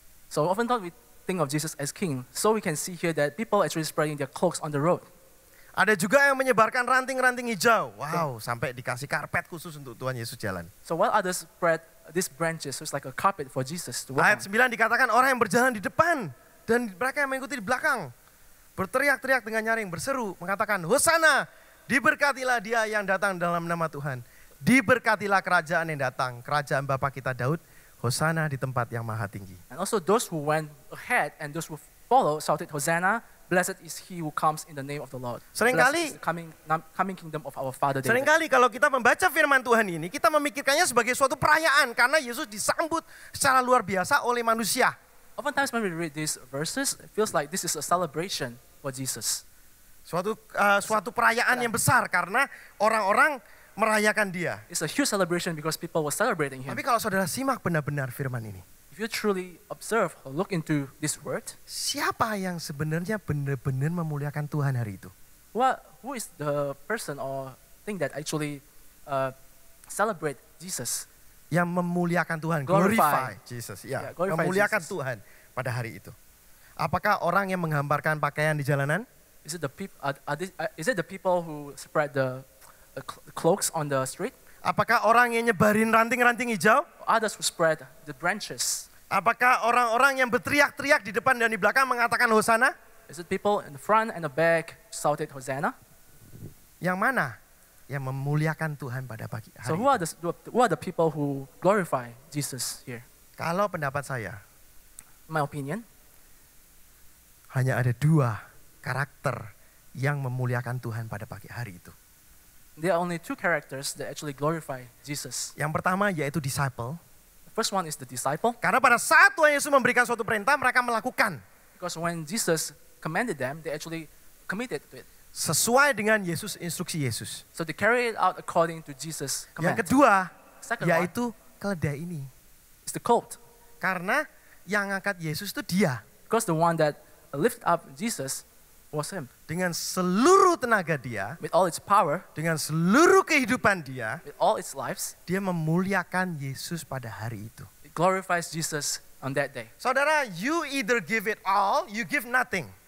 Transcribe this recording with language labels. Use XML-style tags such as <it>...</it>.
<en>So often thought we think of Jesus as king, so we can see here that people actually spreading their cloaks on the road.</en> <id>Ada juga yang menyebarkan ranting-ranting hijau. Wow, sampai dikasih karpet khusus untuk Tuhan Yesus jalan.</id> <en>So while others spread these branches, so it's like a carpet for Jesus to walk.</en> <id>Ayat 9 dikatakan orang yang berjalan di depan dan mereka yang mengikuti di belakang. Berteriak-teriak dengan nyaring, berseru, mengatakan, Hosana, diberkatilah dia yang datang dalam nama Tuhan. Diberkatilah kerajaan yang datang, kerajaan Bapa kita Daud. Hosana di tempat yang maha tinggi.</id> <en>And also those who went ahead and those who follow shouted, "Hosanna! Blessed is he who comes in the name of the Lord."</en> <id>Seringkali</id> <en>coming kingdom of our Father David.</en> <id>Seringkali kalau kita membaca firman Tuhan ini, kita memikirkannya sebagai suatu perayaan karena Yesus disambut secara luar biasa oleh manusia.</id> <en>Oftentimes when we read these verses, it feels like this is a celebration for Jesus.</en> <id>Suatu perayaan yang besar karena orang-orang merayakan dia.</id> <en>It's a huge celebration because people were celebrating him.</en> <id>Tapi kalau saudara simak benar-benar firman ini,</id> <en>if you truly observe or look into this word,</en> <id>siapa yang sebenarnya benar-benar memuliakan Tuhan hari itu?</id> <en>Who is the person or thing that actually celebrate Jesus?</en> <id>Yang memuliakan Tuhan,</id> <en>glorify Jesus.</en> <id>Ya,</id> <en>glorify</en> <id>memuliakan</id> <en>Jesus.</en> <id>Tuhan pada hari itu. Apakah orang yang menghamparkan pakaian di jalanan?</id> <en>Is it the people who spread the cloaks on the street?</en> <id>Apakah orang yang nyebarin ranting-ranting hijau?</id> <en>Others who spread the branches.</en> <id>Apakah orang-orang yang berteriak-teriak di depan dan di belakang mengatakan Hosana?</id> <en>Is it people in the front and the back shouted Hosana?</en> <id>Yang mana yang memuliakan Tuhan pada pagi hari?</id> <en>So who are the people who glorify Jesus here?</en> <id>Kalau pendapat saya,</id> <en>my opinion,</en> <id>hanya ada dua karakter yang memuliakan Tuhan pada pagi hari itu.</id> <en>There are only two characters that actually glorify Jesus.</en> <id>Yang pertama yaitu disciple.</id> <en>The first one is the disciple.</en> <id>Karena pada saat Tuhan Yesus memberikan suatu perintah, mereka melakukan.</id> <en>Because when Jesus commanded them, they actually committed to it.</en> <id>Sesuai dengan Yesus, instruksi Yesus.</id> <en>So they carry it out according to Jesus command.</en> <id>Yang kedua yaitu keledai ini.</id> <en>It's the colt.</en> <id>Karena yang angkat Yesus itu dia.</id> <en>Because the one that lifted up Jesus was him.</en> <id>Dengan seluruh tenaga dia,</id> <en>with all its power,</en> <id>dengan seluruh kehidupan dia,</id> <en>with all its lives,</en> <id>dia memuliakan Yesus pada hari itu.</id> <en>It glorifies Jesus on that day. Saudara, you either give it all, you give nothing.</en>